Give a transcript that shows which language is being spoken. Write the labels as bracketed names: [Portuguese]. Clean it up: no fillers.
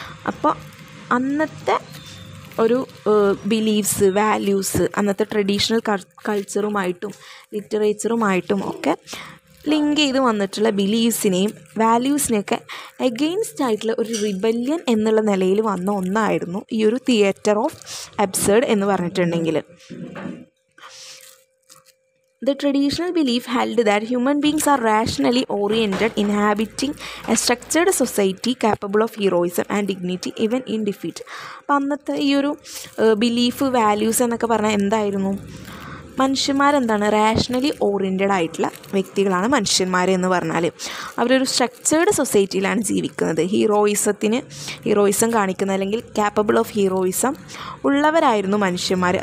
[Malayalam] അപ്പോൾ അന്നത്തെ ഒരു ബിലീവ്സ്, വാല്യൂസ്, അന്നത്തെ ട്രഡീഷണൽ കൾച്ചറുമായിട്ടും ലിറ്ററേച്ചറുമായിട്ടും ഒക്കെ ലിങ്ക് ചെയ്ത് വന്നിട്ടുള്ള ബിലീവ്സിനെയും വാല്യൂസിനെയൊക്കെ എഗെയിൻസ്റ്റ് ആയിട്ടുള്ള ഒരു റിബല്യൻ എന്നുള്ള നിലയിൽ വന്ന ഒന്നായിരുന്നു ഈ ഒരു തിയേറ്റർ ഓഫ് അബ്സർഡ് എന്ന് പറഞ്ഞിട്ടുണ്ടെങ്കിൽ. [English] The traditional belief held that human beings are rationally oriented, inhabiting a structured society capable of heroism and dignity even in defeat. [Malayalam] പണ്ടത്തെ ഈ ഒരു ബിലീഫ് വാല്യൂസ് എന്നൊക്കെ പറഞ്ഞാൽ എന്തായിരുന്നു, മനുഷ്യന്മാരെന്താണ് റാഷണലി ഓറിയൻറ്റഡ് ആയിട്ടുള്ള വ്യക്തികളാണ് മനുഷ്യന്മാരെന്ന് പറഞ്ഞാൽ. അവരൊരു സ്ട്രക്ചേർഡ് സൊസൈറ്റിയിലാണ് ജീവിക്കുന്നത്, ഹീറോയിസത്തിന് ഹീറോയിസം കാണിക്കുന്ന അല്ലെങ്കിൽ [English] capable of heroism [Malayalam] ഉള്ളവരായിരുന്നു മനുഷ്യന്മാർ.